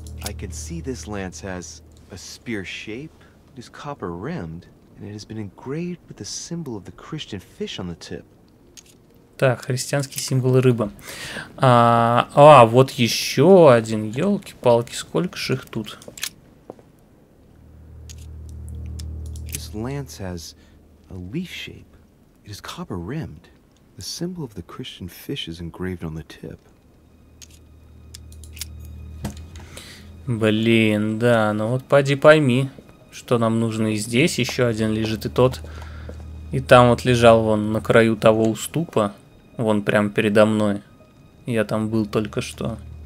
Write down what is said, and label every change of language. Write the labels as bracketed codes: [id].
[en] I can see this lance has a spear shape, it is copper rimmed, and it has been engraved with the symbol of the Christian fish on the tip. [ru] Так, христианский символ рыба. А, вот еще один, елки-палки, сколько же их тут? [en] This lance has a leaf shape, it is copper rimmed, the symbol of the Christian fish is engraved on the tip. [ru] Блин, да, ну вот поди пойми, что нам нужно и здесь. Еще один лежит, и тот, и там вот лежал вон на краю того уступа, вон прямо передо мной. Я там был только что.